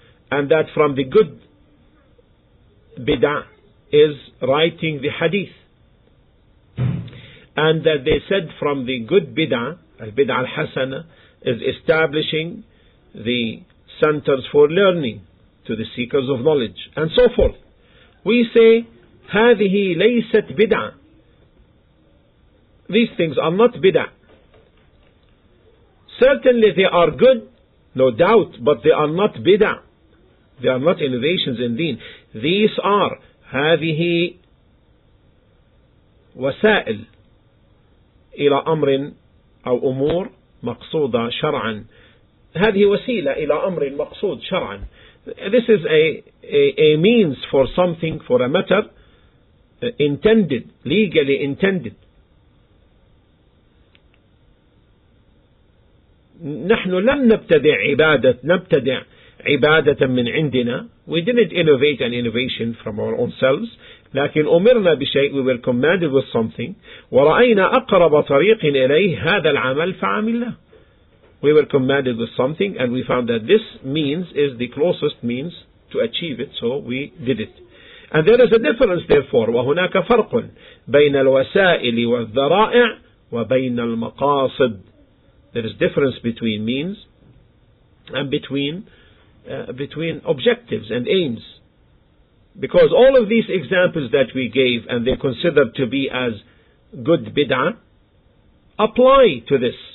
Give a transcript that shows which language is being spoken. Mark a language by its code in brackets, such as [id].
[en] And that from the good bid'ah is writing the hadith. And that they said from the good bid'ah, al-bid'ah al-hasana, is establishing the centers for learning to the seekers of knowledge, and so forth. We say, [ar] هذه ليست بدعة. [en] These things are not بدعة. Certainly they are good, no doubt, but they are not بدعة. They are not innovations in deen. These are [ar] هذه وسائل إلى أمر أو أمور مقصودة شرعا. هذه وسيلة إلى أمر مقصود شرعا. [en] This is a means for something, for a matter intended, legally intended. [ar] نحن لم نبتدع عبادة نبتدع عبادة من عندنا. [en] We didn't innovate an innovation from our own selves. [ar] لكن أمرنا بشيء, [en] we were commanded with something. [ar] ورأينا أقرب طريق إليه هذا العمل فعملناه. [en] We were commanded with something, and we found that this means is the closest means to achieve it, so we did it. And there is a difference, therefore. [ar] وهناك فرق بين الوسائل والذرائع وبين المقاصد. [en] There is difference between means and between objectives and aims. Because all of these examples that we gave, and they're considered to be as good bid'ah, apply to this.